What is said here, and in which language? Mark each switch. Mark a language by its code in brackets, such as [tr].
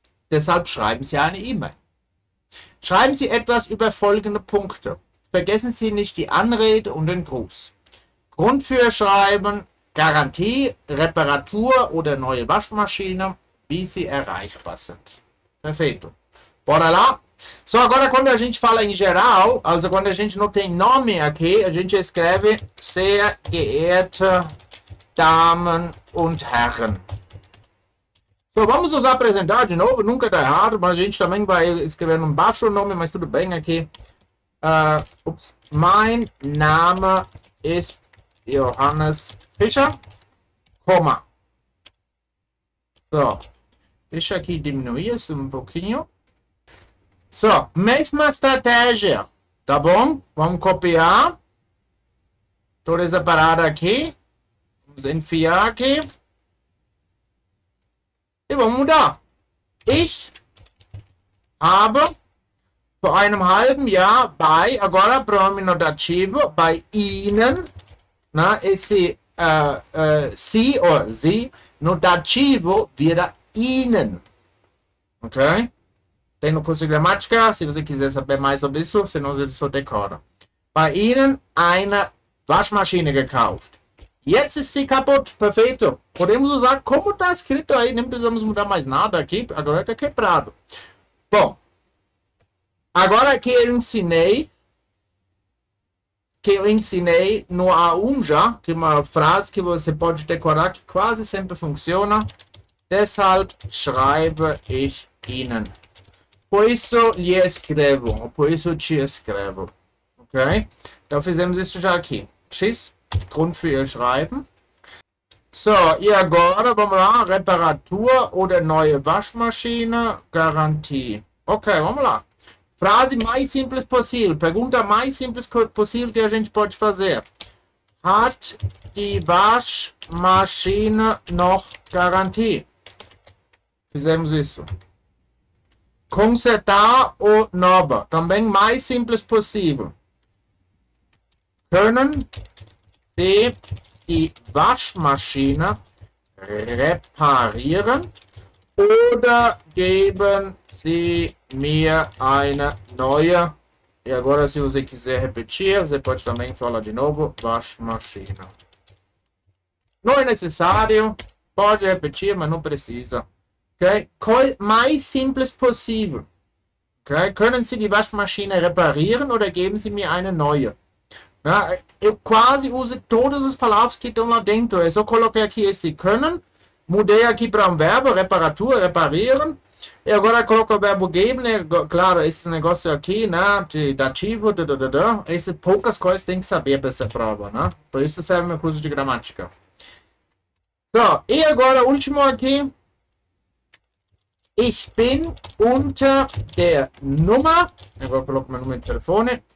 [de] Deshalb schreiben Sie eine E-Mail. Schreiben Sie etwas über folgende Punkte. Vergessen Sie nicht die Anrede und den Gruß. Grund für Schreiben, Garantie, Reparatur oder neue Waschmaschine, wie Sie erreichbar sind. [pt] Perfeito. Bora lá. So, agora quando a gente fala em geral, also quando a gente não tem nome aqui, a gente escreve [de] sehr geehrte Damen und Herren. [pt] So, vamos nos apresentar de novo, nunca tá errado, mas a gente também vai escrever um baixo nome, mas tudo bem aqui. Ups. [de] Mein Name ist Johannes Fischer, comma. [pt] So, deixa aqui diminuir isso um pouquinho. So, mesma estratégia, tá bom? Vamos copiar toda essa parada aqui. Vamos enfiar aqui. E vamos mudar. [de] Ich habe vor einem halben Jahr bei, [pt] agora pronome notativo, [de] bei Ihnen, na, [pt] esse Sie ou Sie, notativo vira Ihnen. Ok? Tem no curso de gramática, se você quiser saber mais sobre isso, senão você só decora. [de] Bei Ihnen eine Waschmaschine gekauft. Jetzt ist sie kaputt. [pt] Perfeito. Podemos usar como está escrito aí. Nem precisamos mudar mais nada aqui. Agora está quebrado. Bom. Agora que eu ensinei. Que eu ensinei no A1 já. Que é uma frase que você pode decorar. Que quase sempre funciona. [de] Deshalb schreibe ich Ihnen. [pt] Por isso lhe escrevo. Por isso te escrevo. Ok? Então fizemos isso já aqui. [de] Tschüss. Grund für ihr Schreiben. [pt] So, e agora, vamos lá. [de] Reparatur oder neue Waschmaschine, Garantie. [pt] Okay, vamos lá. Frase mais simples possível. Pergunta mais simples possível, que a gente pode fazer. [de] Hat die Waschmaschine noch Garantie? [pt] Fizemos isso. Consertar ou nova? Também mais simples possível. [de] Können die Waschmaschine reparieren oder geben Sie mir eine neue. [pt] E agora, se você quiser repetir, você pode também falar de novo, Waschmaschine. Não é necessário. Pode repetir, mas não precisa. Ok? O mais simples possível. Okay? [de] Können Sie die Waschmaschine reparieren oder geben Sie mir eine neue? [pt] Ja, eu quase uso todos os palavras que estão lá dentro. Eu só coloquei aqui esse können. Mudei aqui para verbo, reparatura, reparieren. E agora eu coloco o verbo geben. Claro, esse negócio aqui, né? De dativo, esse poucas coisas tem que saber para essa prova, né? Por isso serve meu curso de gramática. So, e agora o último aqui. [de] Ich bin unter der Nummer. Ich habe bloß mein Nummer im Telefon.